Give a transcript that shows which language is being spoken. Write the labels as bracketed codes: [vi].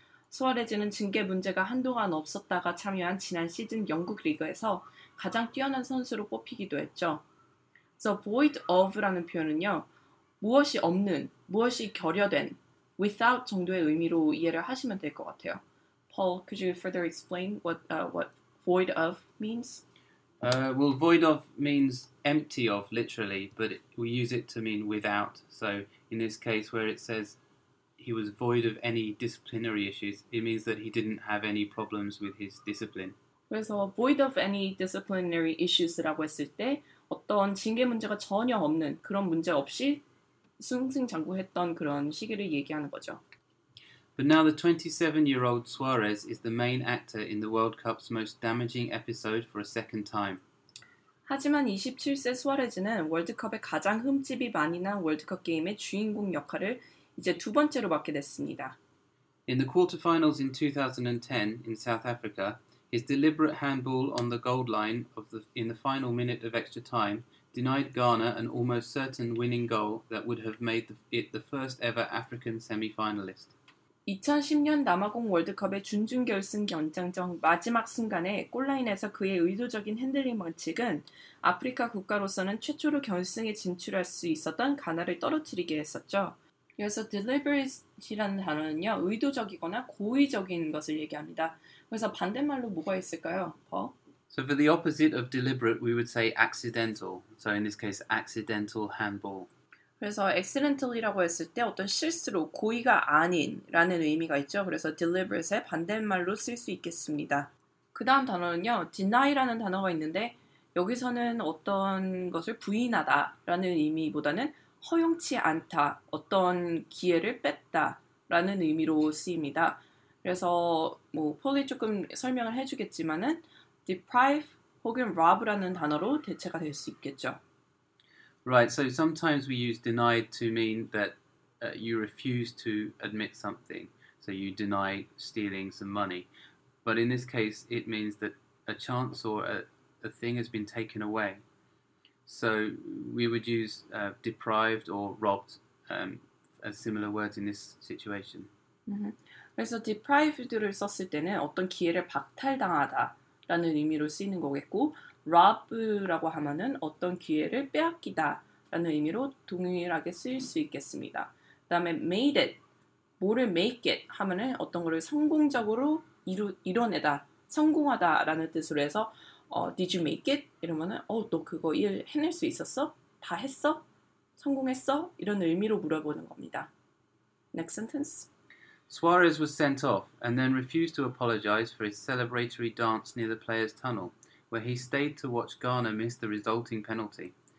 [ko] 수아레즈는 징계 문제가 한동안 없었다가 참여한 지난 시즌 영국 리그에서 가장 뛰어난 선수로 뽑히기도 했죠. The void of라는 표현은요. 무엇이 없는, 무엇이 결여된, without 정도의 의미로 이해를 하시면 될 것 같아요. [en] Paul, could you further explain what void of means? Well, void of means empty of, literally, but we use it to mean without. So in this case where it says he was void of any disciplinary issues, it means that he didn't have any problems with his discipline. [ko] 그래서 void of any disciplinary issues라고 했을 때 어떤 징계 문제가 전혀 없는 그런 문제 없이 승승장구했던 그런 시기를 얘기하는 거죠. [en] But now the 27-year-old Suarez is the main actor in the World Cup's most damaging episode for a second time. [ko] 하지만 27세 수아레즈는 월드컵의 가장 흠집이 많이 난 월드컵 게임의 주인공 역할을 이제 두 번째로 맡게 됐습니다. [en] In the quarterfinals in 2010 in South Africa, his deliberate handball on the goal line in the final minute of extra time denied Ghana an almost certain winning goal that would have made it the first ever African semi-finalist. [ko] 2010년 남아공 월드컵의 준준결승 연장전 마지막 순간에 골라인에서 그의 의도적인 핸들링 방식은 아프리카 국가로서는 최초로 결승에 진출할 수 있었던 가나를 떨어뜨리게 했었죠. 그래서 deliberate이라는 단어는요, 의도적이거나 고의적인 것을 얘기합니다. 그래서 반대말로 뭐가 있을까요? 버? [en] So for the opposite of deliberate, we would say accidental. So in this case, accidental handball. [ko] 그래서 accidental이라고 했을 때 어떤 실수로 고의가 아닌라는 의미가 있죠. 그래서 deliberate의 반대말로 쓸 수 있겠습니다. 그 다음 단어는요, deny라는 단어가 있는데 여기서는 어떤 것을 부인하다라는 의미보다는 허용치 않다, 어떤 기회를 뺐다라는 의미로 쓰입니다. 그래서 뭐 폴이 조금 설명을 해주겠지만은 deprive 혹은 rob라는 단어로 대체가 될 수 있겠죠. [en] Right, so sometimes we use deny to mean that you refuse to admit something. So you deny stealing some money. But in this case, it means that a chance or a thing has been taken away. So we would use deprived or robbed as similar words in this situation. [ko] Mm-hmm. 그래서 deprived를 썼을 때는 어떤 기회를 박탈당하다. 라는 의미로 쓰이는 거겠고 rob라고 하면은 어떤 기회를 빼앗기다 라는 의미로 동일하게 쓰일 수 있겠습니다. 그 다음에 made it, 뭐를 make it 하면은 어떤 거를 성공적으로 이뤄내다, 성공하다 라는 뜻으로 해서 [en] did you make it? [ko] 이러면은 너 그거 일 해낼 수 있었어? 다 했어? 성공했어? 이런 의미로 물어보는 겁니다. [en] Next sentence. Suarez was sent off and then refused to apologize for his celebratory dance near the players' tunnel, where he stayed to watch Ghana miss the resulting penalty.